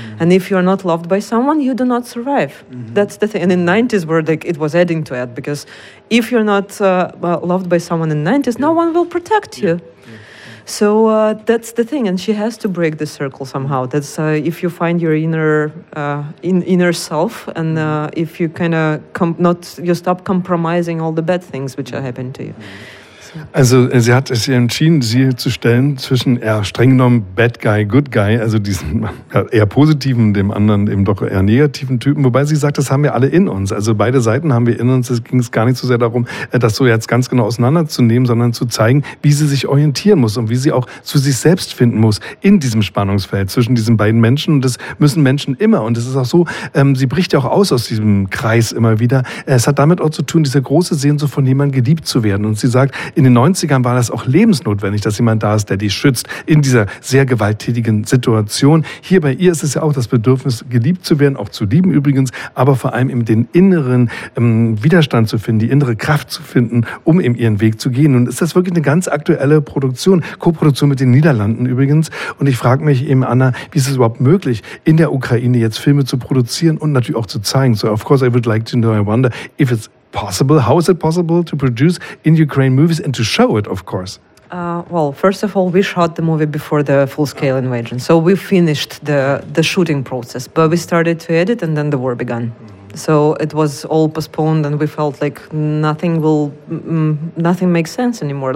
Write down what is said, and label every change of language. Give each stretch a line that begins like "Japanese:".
English: And if you're not loved by someone, you do not survive. That's the thing. And in 90s, we're like, it was adding to it, because if you're not loved by someone in 90s, no one will protect you. So that's the thing, and she has to break the circle somehow. That's if you find your inner inner self, and if you kind of you stop compromising all the bad things which are happening to you.
German: Also sie hat sich entschieden, sie zu stellen zwischen eher streng genommen Bad Guy, Good Guy, also diesen eher positiven, dem anderen eben doch eher negativen Typen. Wobei sie sagt, das haben wir alle in uns. Also beide Seiten haben wir in uns. Es ging gar nicht so sehr darum, das so jetzt ganz genau auseinanderzunehmen, sondern zu zeigen, wie sie sich orientieren muss und wie sie auch zu sich selbst finden muss in diesem Spannungsfeld zwischen diesen beiden Menschen. Und das müssen Menschen immer. Und es ist auch so, sie bricht ja auch aus diesem Kreis immer wieder. Es hat damit auch zu tun, diese große Sehnsucht von jemandem geliebt zu werden. Und sie sagt, in den 90ern war das auch lebensnotwendig, dass jemand da ist, der dich schützt in dieser sehr gewalttätigen Situation. Hier bei ihr ist es ja auch das Bedürfnis, geliebt zu werden, auch zu lieben übrigens, aber vor allem eben den inneren Widerstand zu finden, die innere Kraft zu finden, um eben ihren Weg zu gehen. Und ist das wirklich eine ganz aktuelle Produktion, Co-Produktion mit den Niederlanden übrigens. Und ich frage mich eben, Anna, wie ist es überhaupt möglich, in der Ukraine jetzt Filme zu produzieren und natürlich auch zu zeigen?
English: So, of course, I would like to know, I wonder if it's possible. How is it possible to produce in Ukraine movies and to show it, of course? Well, first of all, we shot the movie before the full-scale invasion. So we finished the shooting process, but we started to edit and then the war began. So it was all postponed and we felt like nothing makes sense anymore.